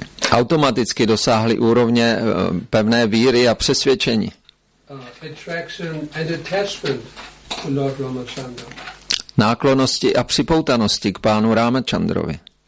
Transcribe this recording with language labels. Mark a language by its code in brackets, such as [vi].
[cs] Automaticky dosáhli úrovně pevné víry a přesvědčení. [en] Attraction and attachment to Lord Ramachandra. [cs] Náklonosti a připoutanosti k pánu Ramachandrovi.